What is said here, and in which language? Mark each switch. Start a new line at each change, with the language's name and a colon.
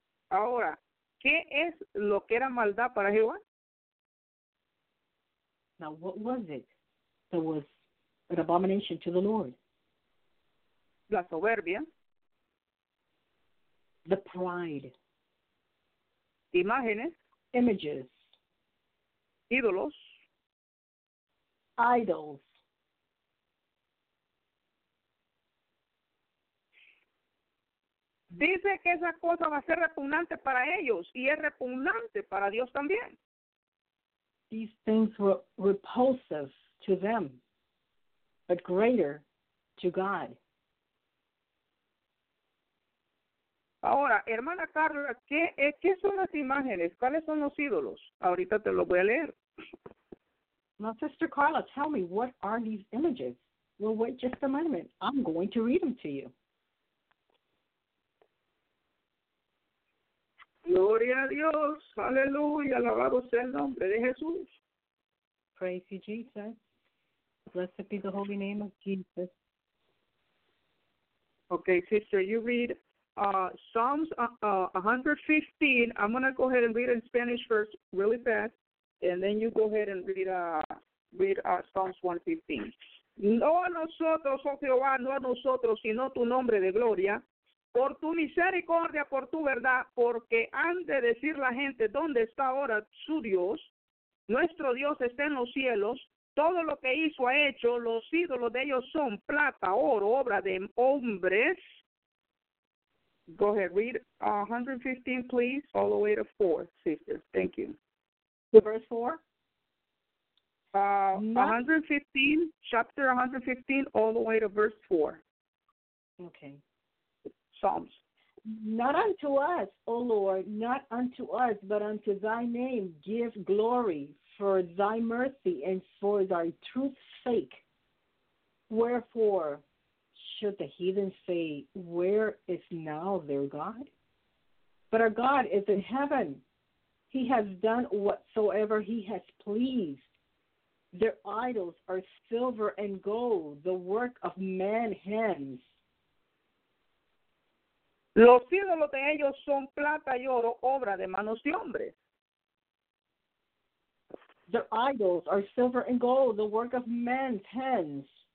Spanish: Ahora, ¿qué es lo que era maldad para Jehová?
English: Now, what was it that was an abomination to the Lord?
Spanish: La soberbia.
English: The pride.
Spanish: Imágenes.
English: Images.
Spanish: Ídolos.
English: Idols.
Spanish: Dice que esa cosa va a ser repugnante para ellos y es repugnante para Dios también.
English: These things were repulsive to them, but greater to God.
Spanish: Ahora, hermana Carla, ¿qué son las imágenes? ¿Cuáles son los ídolos? Ahorita te lo voy a leer.
English: Now, Sister Carla, tell me, what are these images? Well, wait just a moment. I'm going to read them to you.
Spanish: Gloria a Dios, aleluya, alabado sea el nombre de Jesús.
English: Praise you, Jesus. Blessed be the holy name of Jesus. Okay, sister, you read Psalms 115. I'm going to go ahead and read in Spanish first, really fast, and then you go ahead and read Psalms 115.
Spanish: No a nosotros, oh Jehová, no a nosotros, sino tu nombre de gloria. Por tu misericordia, por tu verdad, porque han de decir la gente dónde está ahora su Dios. Nuestro Dios está en los cielos. Todo lo que hizo ha hecho. Los ídolos de ellos son plata, oro, obra de hombres.
English: Go ahead, read 115, please, all the way to 4, sisters. Thank you. The verse 4? 115, chapter 115, all the way to verse 4. Okay. Psalms. Not unto us, O Lord, not unto us, but unto thy name give glory for thy mercy and for thy truth's sake. Wherefore should the heathen say, where is now their God? But our God is in heaven. He has done whatsoever he has pleased. Their idols are silver and gold, the work of man hands.
Spanish: Los ídolos de ellos son plata y oro, obra de manos de hombres.
English: Their idols are silver and gold, the work of men's hands.